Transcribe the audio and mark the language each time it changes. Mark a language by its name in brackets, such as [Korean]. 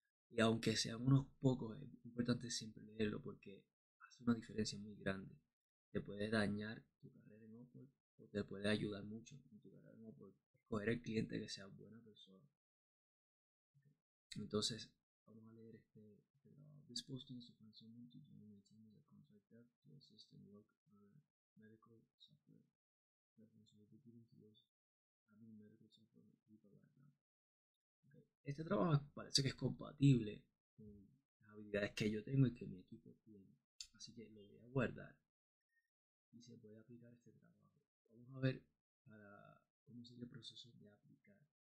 [Spanish] Y aunque sean unos pocos, es importante siempre leerlo porque hace una diferencia muy grande. Te puede dañar tu carrera en Upwork o te puede ayudar mucho en tu carrera en Upwork. Escoger el cliente que sea buena persona. Entonces, vamos a leer este. [English] This posting is a consultant to join a team as a contractor to assist in work on medical software. Reference will be given to those having medical software with a background. Okay. [Spanish] Este trabajo parece que es compatible con las habilidades que yo tengo y que mi equipo tiene. Así que lo voy a guardar y se puede aplicar este trabajo. Vamos a ver para cómo sigue el proceso de aplicar.